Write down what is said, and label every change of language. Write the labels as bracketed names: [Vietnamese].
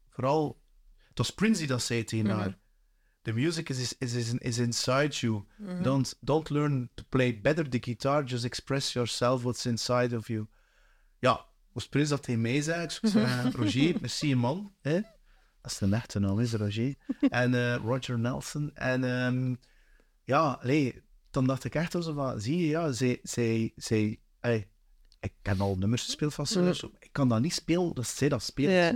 [Dutch] Vooral, het was Prince die dat zei tegen haar. [English] The music is inside you. Don't learn to play better the guitar, just express yourself what's inside of you. [Dutch] Ja, was Prins dat hij mij zei, ik zou zeggen, Roger, merci man. Hè? Dat is de echte naam, is Roger. En Roger Nelson. En dan dacht ik echt zo van, zie je, ja, ik heb al nummers gespeeld van ze, ik kan dat niet spelen, dat zij dat speelt.